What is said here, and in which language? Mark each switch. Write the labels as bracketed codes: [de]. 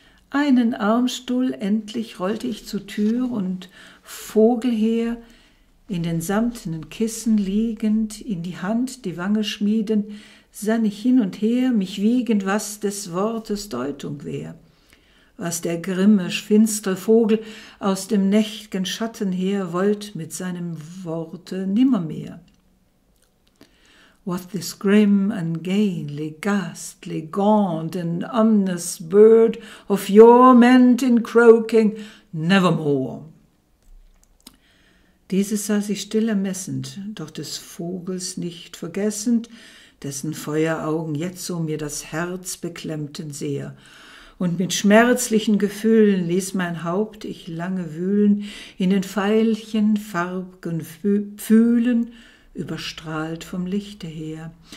[de] Einen Armstuhl endlich rollte ich zur Tür und Vogel her, in den samtenen Kissen liegend, in die Hand die Wange schmieden, sann ich hin und her, mich wiegend, was des Wortes Deutung wär, was der grimme, finstre Vogel aus dem nächt'gen Schatten her wollt mit seinem Worte nimmermehr. [en] What this grim, ungainly, ghastly, gaunt, and ominous bird of yore meant in croaking nevermore. [de] Dieses saß ich still ermessend, doch des Vogels nicht vergessend, dessen Feueraugen jetzt so mir das Herz beklemmten sehr. Und mit schmerzlichen Gefühlen ließ mein Haupt ich lange wühlen, in den Veilchen farbigen Pfühlen, überstrahlt vom Lichte her.